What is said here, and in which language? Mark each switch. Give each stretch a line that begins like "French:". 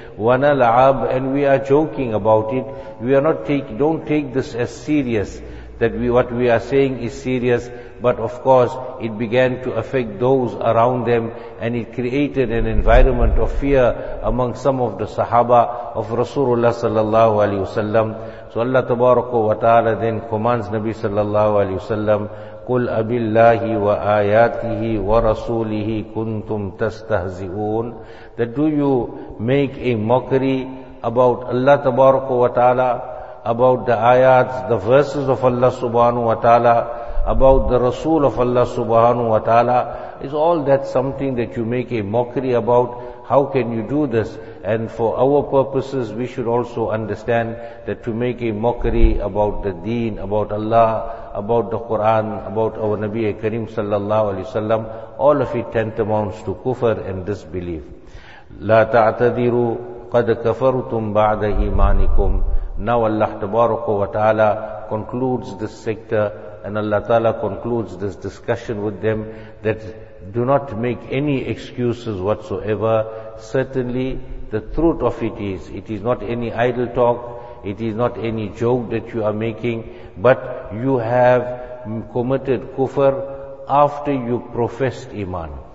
Arabic: وَنَلْعَبْ,
English: and we are joking about it. We are not don't take this as serious, that what we are saying is serious. But of course, it began to affect those around them, and it created an environment of fear among some of the Sahaba of Rasulullah sallallahu alaihi wasallam. So Allah tabaraka wa ta'ala then commands Nabi sallallahu alaihi wasallam,
Arabic: قل أبالله وآياته ورسوله كنتم تستهزئون.
English: That do you make a mockery about Allah Tabaraka wa Ta'ala, about the ayats, the verses of Allah Subhanahu wa Ta'ala, about the Rasul of Allah Subhanahu wa Ta'ala? Is all that something that you make a mockery about? How can you do this? And for our purposes, we should also understand that to make a mockery about the deen, about Allah, about the Quran, about our Nabi Kareem sallallahu alayhi wa sallam, all of it tantamounts to kufr and disbelief.
Arabic: لا تعتذروا قد كفرتم بعد إيمانكم.
English: Now Allah Tabaraka wa Ta'ala concludes this sector, and Allah Ta'ala concludes this discussion with them, that do not make any excuses whatsoever. Certainly the truth of it is not any idle talk, it is not any joke that you are making, but you have committed kufr after you professed iman.